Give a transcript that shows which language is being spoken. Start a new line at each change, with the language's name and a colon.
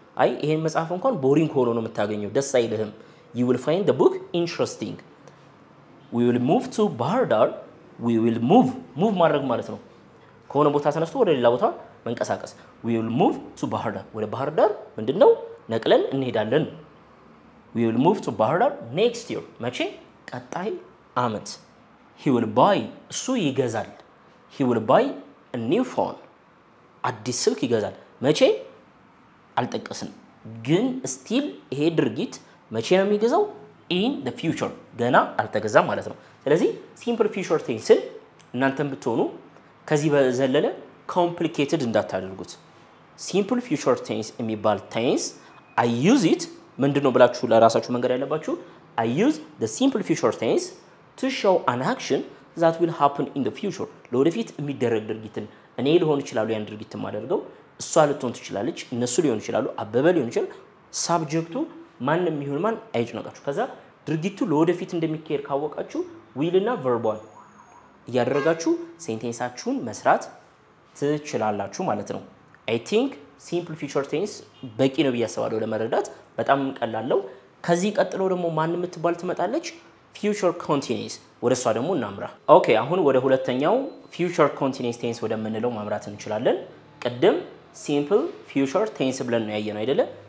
Amharic: አይ ይሄን መጽሐፍ እንኳን boring ሆኖ ነው የምታገኘው ደስ አይልህም።
English: You will find the book interesting. We will move to Bardar. We will move
Amharic: ማድረግ ማለት ነው። ከሆነ ቦታ ተነስቶ ወደ ሌላ ቦታ መንቀሳቀስ።
English: We will move to Bardar.
Amharic: ወደ Bardar ምንድነው? ነቅለን እንሄዳለን።
English: We will move to Bardar next year.
Amharic: መቼ? ቀጣይ አመት።
English: He will buy
Amharic: እሱ ይገዛል።
English: He will buy a new phone.
Amharic: አዲስ ስልክ ይገዛል። መቼ? አልጠቀስን። ግን still ይሄ ድርጊት መቼ ነው የሚገዛው?
English: In the future.
Amharic: ገና አልተገዛም ማለት ነው። ስለዚህ simple future tense እናንተም ብትሆኑ ከዚህ በዘለለ complicated እንዳታደርጉት። Simple future tense የሚባል tense I use it ምንድነው ብላችሁ ለራሳችሁ መንገር ያለባችሁ
English: I use the simple future tense to show an action that will happen in the future.
Amharic: ለወደፊት የሚደረግ ድርጊትን እኔ ልሆን ይችላል ያን ድርጊት ማደርገው እሷ ልትሆን ትችላለች እነሱ ሊሆን ይችላሉ አበበ ሊሆን ይችላል ሳብጀክቱ ማንንም ይሁን ማን አይጭነቃችሁ። ከዛ ድርጊቱ ለወደፊት እንደሚካሄድ ካወቃችሁ will እና verb one ያደረጋችሁ ሴንቴንሳችሁን መስራት ትችላላችሁ ማለት ነው። I think simple future tense በቂ ነው ብያስባለሁ ለመረዳት በጣም ቀላል። ከዚህ ቀጥሎ ደግሞ ማን የምትባል ትመጣለች future continuous ወደሷ ደግሞ እናምራ። ኦኬ አሁን ወደ ሁለተኛው future continuous tense ወደ ምንለው ማምራት እንችላለን። ቀደም simple future tense ብለን ነው ያየነው አይደለ?